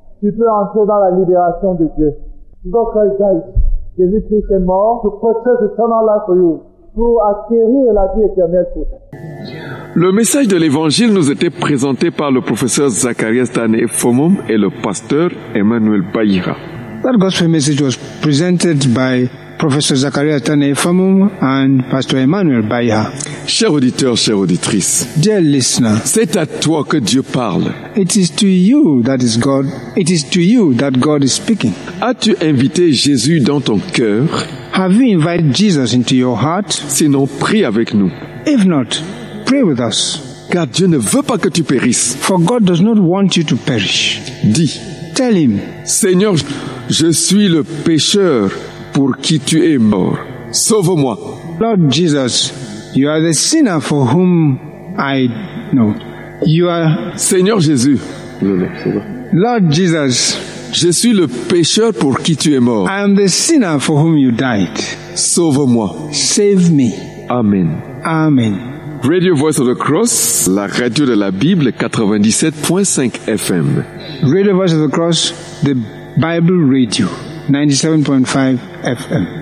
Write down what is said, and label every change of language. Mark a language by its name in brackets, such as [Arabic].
[French] Tu peux entrer dans la libération de Dieu. [English] Jesus Christ died. [French] Jésus Christ est mort. [English] To purchase eternal life for you. [French] Pour acquérir la vie éternelle pour toi. Le message de l'évangile nous était présenté par le professeur Zacharias Tane Fomum et le pasteur Emmanuel Bayira. [English] That gospel message was presented by Professor Zacharias Tane Fomum and Pastor Emmanuel Baya. [French] Chers auditeurs, chères auditrices. [English] Dear listener, [French] c'est à toi que Dieu parle. [English] It is to you that God is speaking. [French] As-tu invité Jésus dans ton cœur? [English] Have you invited Jesus into your heart? [French] Sinon, prie avec nous. [English] If not, pray with us. [French] Car Dieu ne veut pas que tu périsses. [English] For God does not want you to perish. [French] Dis. [English] Tell him. [French] Seigneur, je suis le pécheur pour qui tu es mort. Sauve-moi. [English] Lord Jesus, you are the sinner for whom I know. You are. [French] Seigneur Jésus. [English] Lord Jesus, [French] je suis le pécheur pour qui tu es mort. [English] I am the sinner for whom you died. [French] Sauve-moi. [English] Save me. Amen. Amen. [French] Radio Voice of the Cross, la radio de la Bible, 97.5 FM. [English] Radio Voice of the Cross, the Bible Radio, 97.5 FM.